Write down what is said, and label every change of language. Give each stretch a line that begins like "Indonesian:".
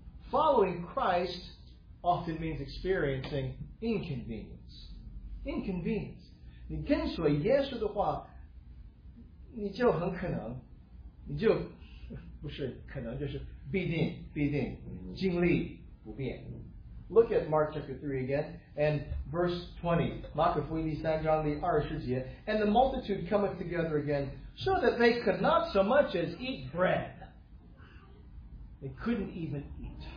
English: Following Christ often means experiencing inconvenience. Inconvenience.
Chinese: 你跟随耶稣的话，你就很可能，你就不是可能，就是必定经历不变。
English: Look at Mark chapter 3 again and verse 20.
Chinese: 马可福音第三章第二十节,
English: and the multitude cometh together again, so that they could not so much as eat bread. They couldn't even eat.